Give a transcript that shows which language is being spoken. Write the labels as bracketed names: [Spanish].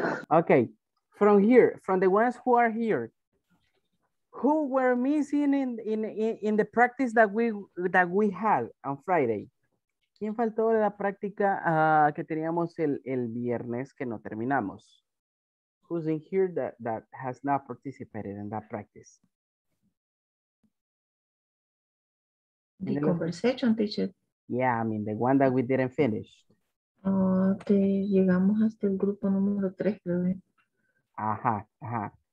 [English] Okay, from here, from the ones who are here, who were missing in the practice that we had on Friday? [Spanish] ¿Quién faltó de la práctica que teníamos el viernes que no terminamos? [English] Who's in here that has not participated in that practice? The conversation, teacher. Yeah, I mean the one that we didn't finish. [Spanish] Llegamos hasta el grupo número 3, creo.